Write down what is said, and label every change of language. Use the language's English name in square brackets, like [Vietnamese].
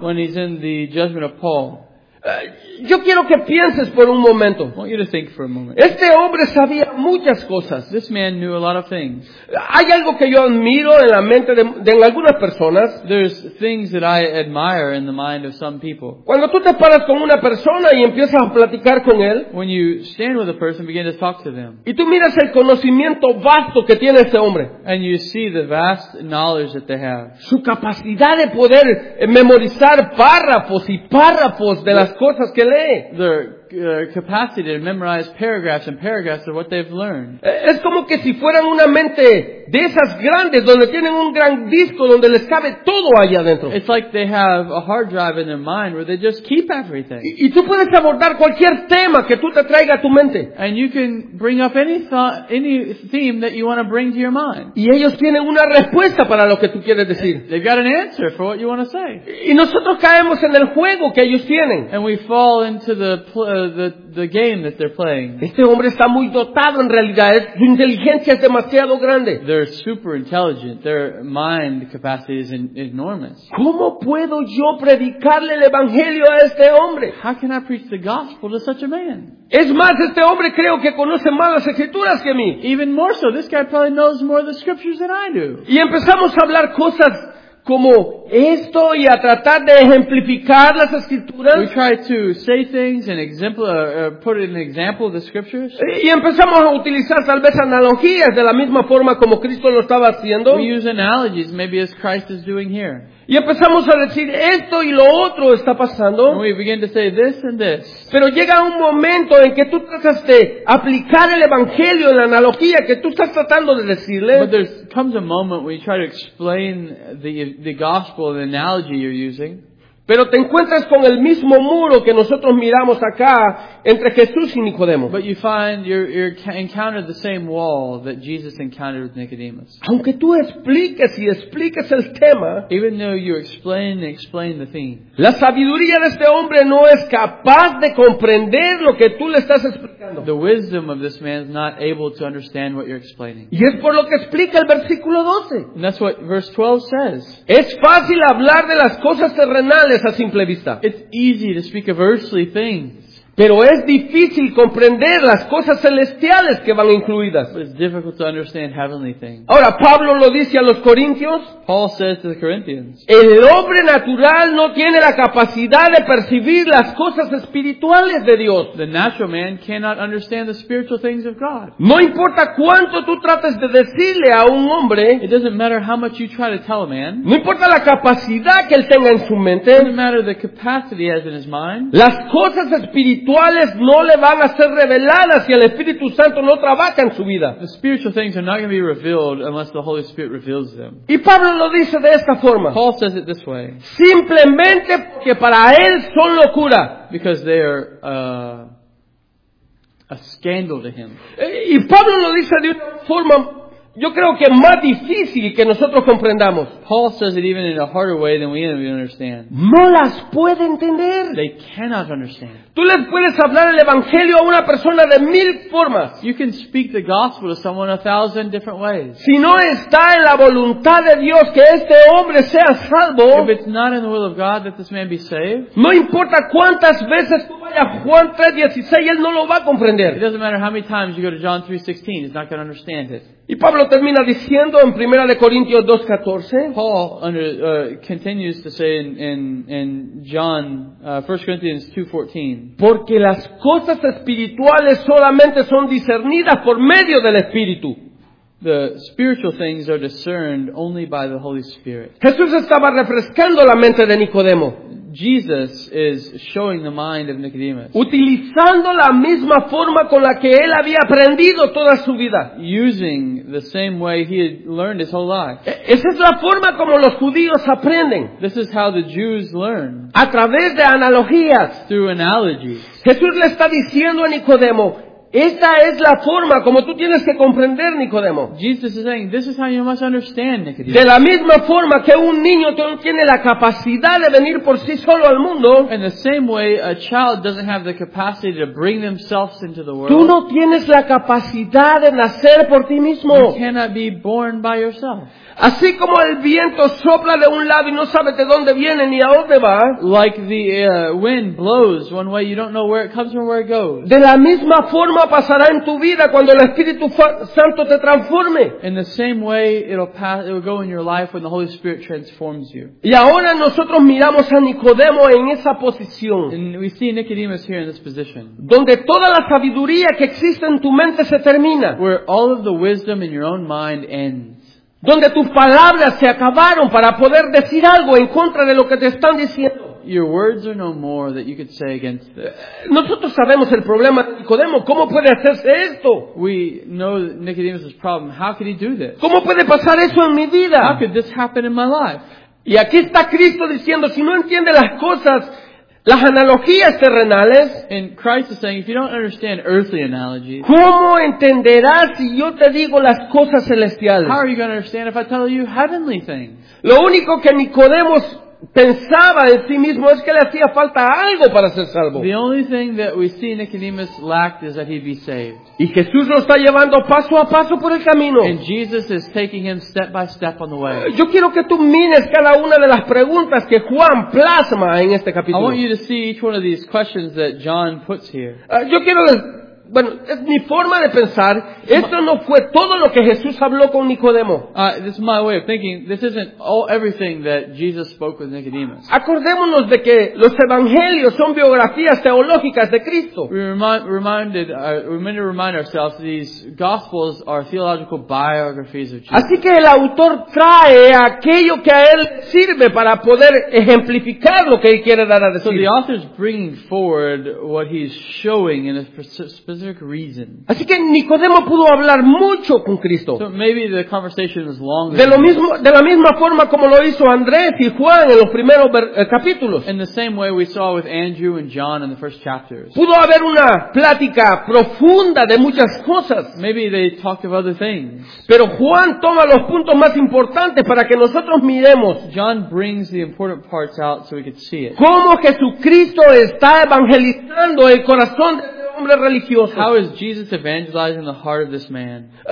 [English] When he's in the judgment of Paul. [Spanish] Yo quiero que pienses por un momento. [English] I want you to think for a moment. [Spanish] Este hombre sabía muchas cosas. [English] This man knew a lot of things. [Spanish] Hay algo que yo admiro en la mente de algunas personas. [English] There's things that I admire in the mind of some people. [Spanish] Cuando tú te paras con una persona y empiezas a platicar con él. [English] When you stand with a person, begin to talk to them. [Spanish] Y tú miras el conocimiento vasto que tiene este hombre. [English] And you see the vast knowledge that they have. [Spanish] Su capacidad de poder memorizar párrafos y párrafos de las cosas que lee. [English] Their capacity to memorize paragraphs and paragraphs of what they've learned. [Spanish] Es como que si fueran una mente de esas grandes donde tienen un gran disco donde les cabe todo allá adentro. [English] It's like they have a hard drive in their mind where they just keep everything. [Spanish] Y tú puedes abordar cualquier tema que tú te traiga a tu mente. [English] And you can bring up any thought, any theme that you want to bring to your mind. [Spanish] Y ellos tienen una respuesta para lo que tú quieres decir. [English] They've got an answer for what you want to say. [Spanish] Y nosotros caemos en el juego que ellos tienen. [English] And we fall into the game that they're playing. [Spanish] Este hombre está muy dotado en realidad. Su inteligencia es demasiado grande. [English] They're super intelligent. Their mind capacity is enormous. [Spanish] ¿Cómo puedo yo predicarle el evangelio a este hombre? [English] How can I preach the gospel to such a man? [Spanish] Es más, este hombre creo que conoce más las escrituras que mí. [English] Even more so, this guy probably knows more of the scriptures than I do. [Spanish] Y empezamos a hablar cosas como esto y a tratar de ejemplificar las escrituras. [English] We try to say things and put it in an example of the scriptures. [Spanish] Y empezamos a utilizar tal vez analogías de la misma forma como Cristo lo estaba haciendo. [English] We use analogies maybe as Christ is doing here. [Spanish] Y empezamos a decir esto y lo otro está pasando. [English] And we begin to say this and this. [Spanish] Pero llega un momento en que tú tratas de aplicar el evangelio en la analogía que tú estás tratando de decirle. [English] But there comes a moment when you try to explain the gospel, the analogy you're using. [Spanish] Pero te encuentras con el mismo muro que nosotros miramos acá entre Jesús y Nicodemo. [English] But you find you encounter the same wall that Jesus encountered with Nicodemus. [Spanish] Aunque tú expliques y expliques el tema, [English] even though you explain and explain the theme, [Spanish] la sabiduría de este hombre no es capaz de comprender lo que tú le estás explicando. [English] The wisdom of this man is not able to understand what you're explaining. [Spanish] Y es por lo que explica el versículo 12. [English] And that's what verse 12 says. [Spanish] Es fácil hablar de las cosas terrenales. [English] It's easy to speak of earthly things. [Spanish] Pero es difícil comprender las cosas celestiales que van incluidas. [English] But it's difficult to understand heavenly things. [Spanish] Ahora, Pablo lo dice a los Corintios. [English] Paul says to the Corinthians. [Spanish] El hombre natural no tiene la capacidad de percibir las cosas espirituales de Dios. [English] The natural man cannot understand the spiritual things of God. [Spanish] No importa cuánto tú trates de decirle a un hombre. [English] It doesn't matter how much you try to tell a man. [Spanish] No importa la capacidad que él tenga en su mente. [English] It doesn't matter the capacity he has in his mind. [Spanish] Las cosas espirituales no le van a ser reveladas si el Espíritu Santo no trabaja en su vida. [English] The spiritual things are not going to be revealed unless the Holy Spirit reveals them. [Spanish] Y Pablo lo dice de esta forma. [English] Paul says it this way. [Spanish] Simplemente porque para él son locura. [English] Because they are a scandal to him. [Spanish] Y Pablo lo dice de una forma, yo creo que más difícil que nosotros comprendamos. [English] Paul says it even in a harder way than we even understand. [Spanish] No las puede entender. [English] They cannot understand. [Spanish] Tú les puedes hablar el evangelio a una persona de mil formas. [English] You can speak the gospel to someone a thousand different ways. [Spanish] Si no está en la voluntad de Dios que este hombre sea salvo. [English] If it's not in the will of God that this man be saved. [Spanish] No importa cuántas veces tú vayas a Juan 3:16, él no lo va a comprender. [English] It doesn't matter how many times you go to John 3:16, he's not going to understand it. [Spanish] Y Pablo termina diciendo en 1 Corintios 2:14. [English] Paul continues to say in John 1 Corinthians 2:14. [Spanish] Porque las cosas espirituales solamente son discernidas por medio del Espíritu. [English] The spiritual things are discerned only by the Holy Spirit. [Spanish] Jesús estaba refrescando la mente de Nicodemo. [English] Jesus is showing the mind of Nicodemus. [Spanish] Utilizando la misma forma con la que él había aprendido toda su vida. [English] Using the same way he had learned his whole life. [Spanish] Esa es la forma como los judíos aprenden. [English] This is how the Jews learn. [Spanish] A través de analogías. [English] Through analogies. [Spanish] Jesús le está diciendo a Nicodemo, esta es la forma como tú tienes que comprender, Nicodemo. [English] Jesus is saying, this is how you must understand, Nicodemus. [Spanish] De la misma forma que un niño tiene la capacidad de venir por sí solo al mundo. [English] In the same way, a child doesn't have the capacity to bring themselves into the world. [Spanish] Tú no tienes la capacidad de nacer por ti mismo. [English] You cannot be born by yourself. [Spanish] Así como el viento sopla de un lado y no sabe de dónde viene ni a dónde va. [English] Like the wind blows one way, you don't know where it comes from, where it goes. [Spanish] De la misma forma pasará en tu vida cuando el Espíritu Santo te transforme. [English] In the same way, it will go in your life when the Holy Spirit transforms you. [Spanish] Y ahora nosotros miramos a Nicodemo en esa posición. [English] And we see Nicodemus here in this position. [Spanish] Donde toda la sabiduría que existe en tu mente se termina. [English] Where all of the wisdom in your own mind ends. [Spanish] Donde tus palabras se acabaron para poder decir algo en contra de lo que te están diciendo. [English] Your words are no more that you could say against this. [Spanish] Nosotros sabemos el problema de Nicodemo. ¿Cómo puede hacerse esto? [English] We know Nicodemus's problem. How could he do this? [Spanish] ¿Cómo puede pasar eso en mi vida? [English] How could this happen in my life? [Spanish] Y aquí está Cristo diciendo, si no entiende las cosas, las analogías terrenales. [English] And Christ is saying, if you don't understand earthly analogies, [Spanish] ¿cómo entenderás si yo te digo las cosas celestiales? [English] How are you going to understand if I tell you heavenly things? [Spanish] Lo único que Nicodemus pensaba de sí mismo es que le hacía falta algo para ser salvo. [English] The only thing that we see Nicodemus lacked is that he'd be saved. [Spanish] Y Jesús lo está llevando paso a paso por el camino. [English] And Jesus is taking him step by step on the way. [Spanish] Yo quiero que tú mires cada una de las preguntas que Juan plasma en este capítulo. [English] I want you to see each one of these questions that John puts here. [Spanish] Bueno, es mi forma de pensar. Esto no fue todo lo que Jesús habló con Nicodemo. [English] This is my way of thinking. This isn't all everything that Jesus spoke with Nicodemus. [Spanish] Acordémonos de que los evangelios son biografías teológicas de Cristo. [English] We need to remind ourselves these gospels are theological biographies of Jesus. [Spanish] Así que el autor trae aquello que a él sirve para poder ejemplificar lo que él quiere dar a decir. [English] So the author is bringing forward what he's showing in a reason. [Spanish] Así que Nicodemo pudo hablar mucho con Cristo. [English] So maybe the conversation was longer. [Spanish] De la misma forma como lo hizo Andrés y Juan en los primeros capítulos. [English] In the same way we saw with Andrew and John in the first chapters. [Spanish] Pudo haber una plática profunda de muchas cosas. [English] Maybe they talked of other things. [Spanish] Pero Juan toma los puntos más importantes para que nosotros miremos. [English] John brings the important parts out so we could see it. [Spanish] Cómo Jesucristo está evangelizando el corazón de hombre religioso. [English] How is Jesus evangelizing the heart of this man?